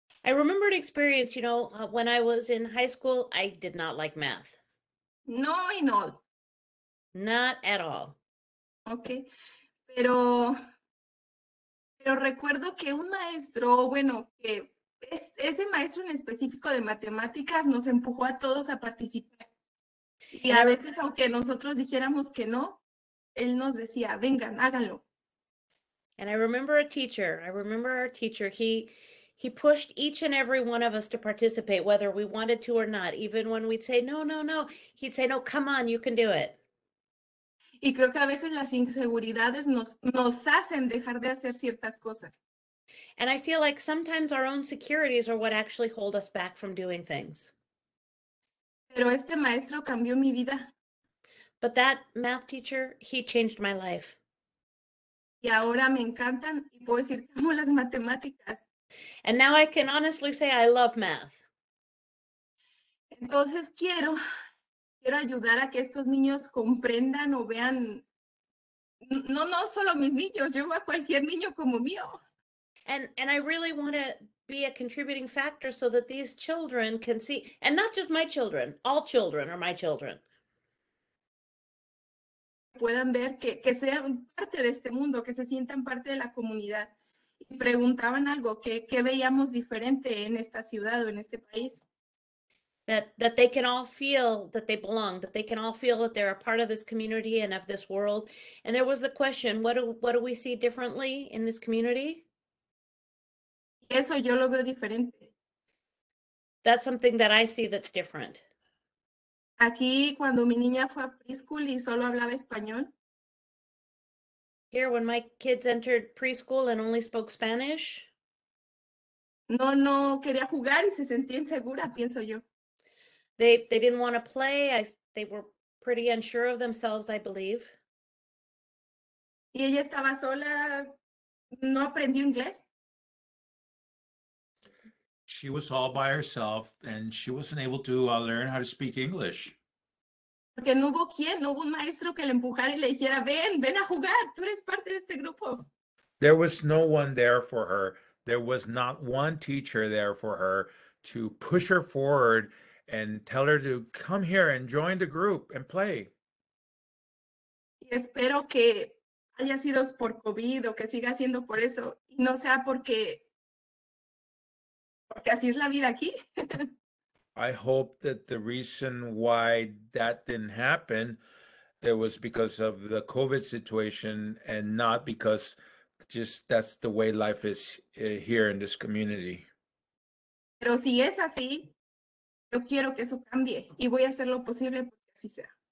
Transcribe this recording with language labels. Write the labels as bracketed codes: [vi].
[en] I remember an experience, you know, when I was in high school, I did not like math. [es] No y no. [en] Not at all. Okay. [es] Pero recuerdo que un maestro, bueno, que ese maestro en específico de matemáticas nos empujó a todos a participar. Y a veces, aunque nosotros dijéramos que no, él nos decía, vengan, háganlo. [en] And I remember our teacher, he pushed each and every one of us to participate, whether we wanted to or not, even when we'd say, no, he'd say, no, come on, you can do it. [es] Y creo que a veces las inseguridades nos hacen dejar de hacer ciertas cosas. [en] And I feel like sometimes our own securities are what actually hold us back from doing things. [es] Pero este maestro cambió mi vida. [en] But that math teacher, he changed my life. [es] Y ahora me encantan y puedo decir como las matemáticas. [en] And now I can honestly say I love math. [es] Entonces quiero ayudar a que estos niños comprendan o vean no solo mis niños, yo veo a cualquier niño como mío. [en] And I really want to be a contributing factor so that these children can see, and not just my children, all children are my children. [es] Puedan ver que sean parte de este mundo, que se sientan parte de la comunidad. Y preguntaban algo, que veíamos diferente en esta ciudad o en este país. [en] That they can all feel that they belong, that they can all feel that they're a part of this community and of this world. And there was the question, what do we see differently in this community? [es] Eso yo lo veo diferente. [en] That's something that I see that's different. [es] Aquí, cuando mi niña fue a preschool y solo hablaba español. [en] Here, when my kids entered preschool and only spoke Spanish. [es] No quería jugar y se sentía insegura, pienso yo. [en] They didn't want to play. They were pretty unsure of themselves, I believe. [es] Y ella estaba sola, no aprendió inglés. [en] She was all by herself and she wasn't able to learn how to speak English. [es] Porque no hubo quien, no hubo un maestro que le empujara y le dijera, ven a jugar, tú eres parte de este grupo. [en] There was no one there for her. There was not one teacher there for her to push her forward and tell her to come here and join the group and play. [es] Y espero que haya sido por COVID o que siga siendo por eso y no sea porque así es la vida aquí. [en] I hope that the reason why that didn't happen, it was because of the COVID situation and not because just that's the way life is here in this community. [es] Pero si es así, yo quiero que eso cambie y voy a hacer lo posible porque así sea.